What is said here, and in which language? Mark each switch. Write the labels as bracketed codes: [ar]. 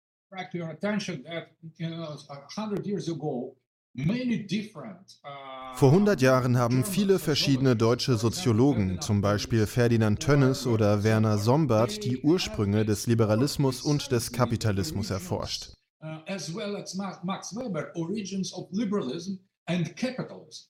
[en] Back to your attention that, you know, 100 years ago, many different. [de] Vor 100 Jahren haben viele verschiedene deutsche Soziologen, zum Beispiel Ferdinand Tönnies oder Werner Sombart, die Ursprünge des Liberalismus und des Kapitalismus erforscht. [en] As well as Max Weber, origins of liberalism and capitalism.